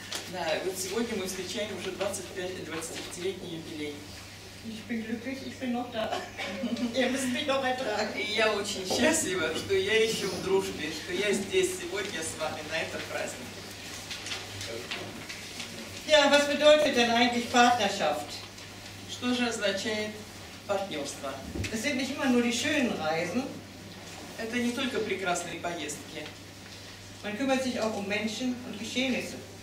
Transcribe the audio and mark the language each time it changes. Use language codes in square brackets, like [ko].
[ru] Да, вот сегодня мы встречаем уже 25-летний юбилей. [de] Ich bin glücklich, ich bin noch da. Ihr müsst mich noch ertragen. [ru] Я очень счастлива, что я еще в дружбе, что я здесь сегодня с вами на этом празднике. [de] Ja, was bedeutet denn eigentlich Partnerschaft? [ru] Что же означает партнерство? [de] Das sind nicht immer nur die schönen Reisen. [ru] Это не только прекрасные поездки. [de] Man kümmert sich auch um Menschen und Geschehnisse.